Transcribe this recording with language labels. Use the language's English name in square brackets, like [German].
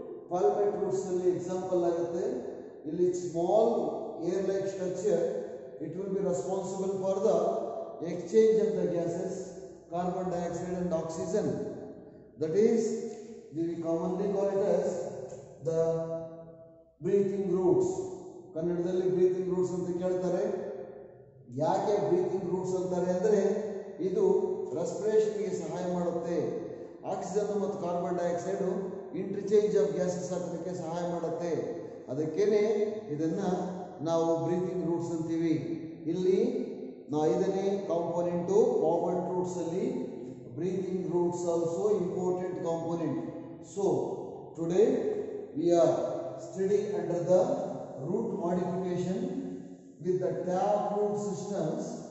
[English] Palmate roots [Kannada] alli [English] example [Kannada] agutte, illi [English] small air like structure, it will be responsible for the exchange of the gases, carbon dioxide and oxygen. That is, we commonly call it as the breathing roots. [Kannada] ಕನ್ನಡದಲ್ಲಿ breathing roots ಅಂತ ಕೇಳ್ತಾರೆ. ಯಾಕೆ breathing roots ಅಂತಾರೆ ಅಂದರೆ, ಇದು ರೆಸ್ಪಿರೇಷನ್ಗೆ ಸಹಾಯ ಮಾಡುತ್ತೆ. Oxygen ಮತ್ತು carbon dioxide interchange of gases ಆಗೋದಕ್ಕೆ ಸಹಾಯ ಮಾಡುತ್ತೆ. ಅದಕ್ಕೇ ಇದನ್ನು ನಾವು ಬ್ರೀತಿಂಗ್ ರೂಟ್ಸ್ ಅಂತೀವಿ. ಇಲ್ಲಿ ಐದನೇ component forward ರೂಟ್ಸಲ್ಲಿ breathing roots [English] Also important component. So today we are studying under the root modification with the tap root systems.